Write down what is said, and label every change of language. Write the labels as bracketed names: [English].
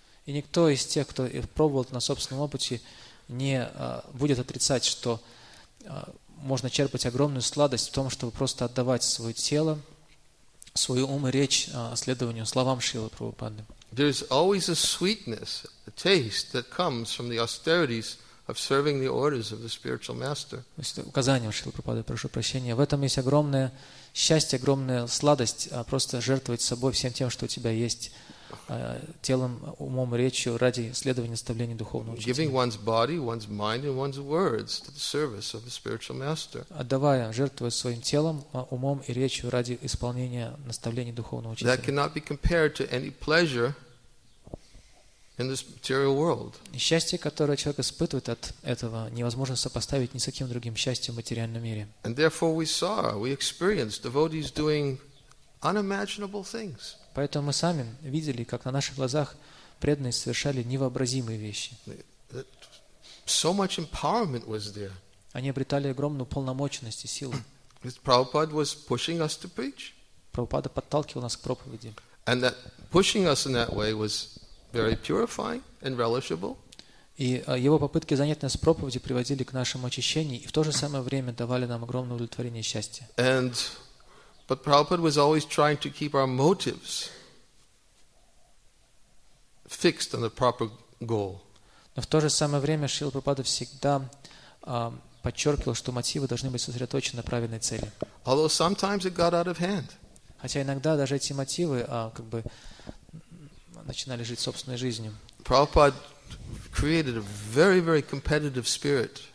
[Russian] И никто из тех, кто пробовал на собственном опыте, не будет отрицать, что можно черпать огромную сладость в том, чтобы просто отдавать свое тело, свой ум и речь следованию словам Шрилы Прабхупады. [English] There is always a sweetness, a taste that comes from the austerities of serving the orders of the spiritual master. [Russian] Указанием Шрилы Прабхупады, прошу прощения. В этом есть огромное счастье, огромная сладость просто жертвовать собой всем тем, что у тебя есть. телом, умом, речью ради следования наставлений духовного учителя. [English] Giving one's body, one's mind, and one's words to the service of the spiritual master. [Russian] Отдавая, жертвуя своим телом, умом и речью ради исполнения наставлений духовного учителя. [English] That cannot be compared to any pleasure in this material world. [Russian] Счастье, которое человек испытывает от этого, невозможно сопоставить ни с каким другим счастьем в материальном мире. [English] And therefore we saw, we experienced devotees doing unimaginable things. [Russian] Поэтому мы сами видели, как на наших глазах преданные совершали невообразимые вещи. [English] So much empowerment was there. [Russian] Они обретали огромную полномоченность и силу. [English] Prabhupada was pushing us to preach. [Russian] Прабхупада подталкивал нас к проповеди. [English] And that pushing us in that way was very purifying and relishable. [Russian] И его попытки занять нас проповедью приводили к нашему очищению и в то же самое время давали нам огромное удовлетворение и счастье. [English] And but Prabhupada was always trying to keep our motives fixed on the proper goal. [Russian] Но в то же самое время Шрила Прабхупада всегда подчеркивал, что мотивы должны быть сосредоточены на правильной цели. [English] Although sometimes it got out of hand. [Russian] Хотя иногда даже эти мотивы как бы начинали жить собственной жизнью. [English] Prabhupada created a very, very competitive spirit.